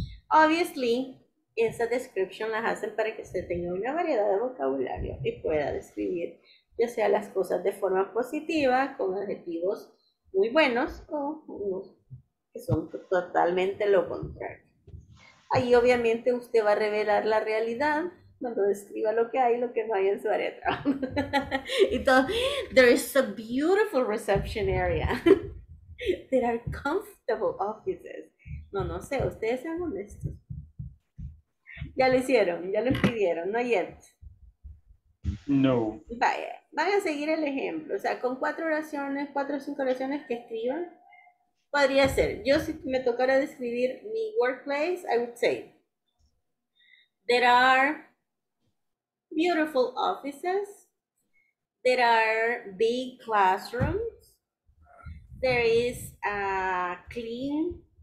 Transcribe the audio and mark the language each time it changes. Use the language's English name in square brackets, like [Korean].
[Spanish] Obviously, esa descripción las hacen para que usted tenga una variedad de vocabulario y pueda describir ya sea las cosas de forma positiva, con adjetivos muy buenos o unos que son totalmente lo contrario. Ahí obviamente usted va a revelar la realidad cuando describa lo que hay y lo que no hay en su área de trabajo. Y todo, [English] there is a beautiful reception area. There are comfortable offices. [Spanish] No, no sé, ustedes sean honestos. Ya lo hicieron, ya lo pidieron, no yet. No. Vaya, van a seguir el ejemplo. O sea, con cuatro o cinco oraciones que escriban, podría ser. Yo si me tocara describir mi [English] workplace, I would say there are beautiful offices, there are big classrooms, there is a clean